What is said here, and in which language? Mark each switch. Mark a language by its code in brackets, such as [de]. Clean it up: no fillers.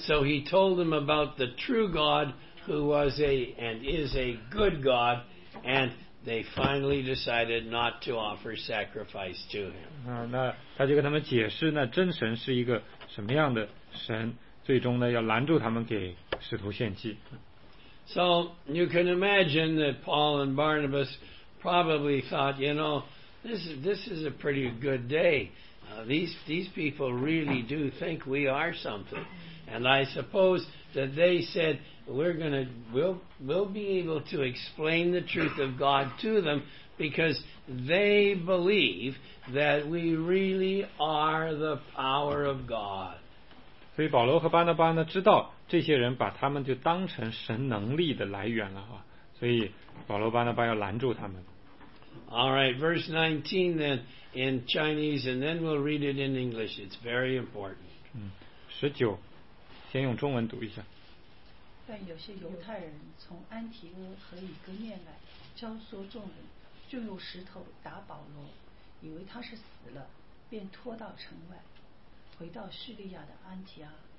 [en] so he told them about the true God, who was and is a good God, and they finally decided not to offer sacrifice to him. [zh] 那他就跟他们解释，那真神是一个什么样的神，最终呢，要拦住他们给使徒献祭。 [en] So you can imagine that Paul and Barnabas probably thought, you know, this is a pretty good day. These people really do think we are something. And I suppose that they said, we'll be able to explain the truth of God to them because they believe that we really are the power of God. [zh] 所以保罗和巴拿巴呢知道这些人把他们就当成神能力的来源了啊，所以保罗巴拿巴要拦住他们。 [en] All right, verse 19 then in Chinese, and then we'll read it in English. It's very important. [zh] 19, 先用中文读一下。但有些犹太人从安提阿和以哥念来，教唆众人，就用石头打保罗，以为他是死了，便拖到城外，回到叙利亚的安提阿。